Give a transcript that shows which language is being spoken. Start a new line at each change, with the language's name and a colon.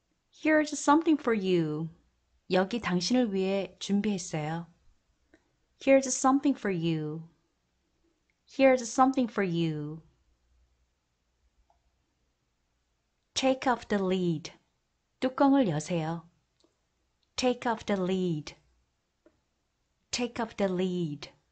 English: Here's something for you.
Korean: 여기 당신을 위해 준비했어요.
English: Here's something for you. Here's something for you. Take off the lid.
Korean: 뚜껑을 여세요.
English: Take off the lid. Take off the lead.